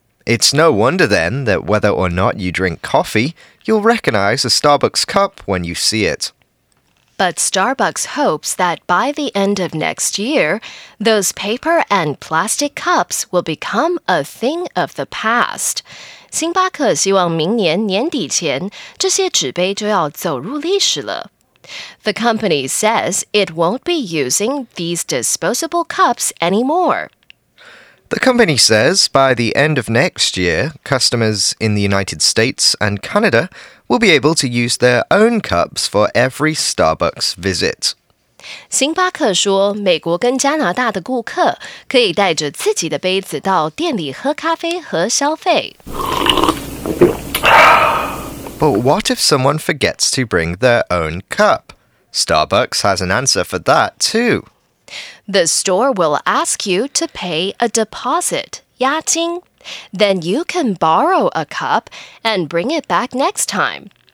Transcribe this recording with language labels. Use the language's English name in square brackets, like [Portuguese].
[English] It's no wonder then that whether or not you drink coffee, you'll recognize a Starbucks cup when you see it. But Starbucks hopes that by the end of next year, those paper and plastic cups will become a thing of the past. [Chinese] 星巴克希望明年年底前这些纸杯就要走入历史了。 [English] The company says it won't be using these disposable cups anymore. The company says by the end of next year, customers in the United States and Canada... will be able to use their own cups for every Starbucks visit. [Chinese] 星巴克说美国跟加拿大的顾客可以带着自己的杯子到店里喝咖啡和消费。 [English] But what if someone forgets to bring their own cup? Starbucks has an answer for that too. The store will ask you to pay a deposit, 押金。 Then you can borrow a cup and bring it back next time.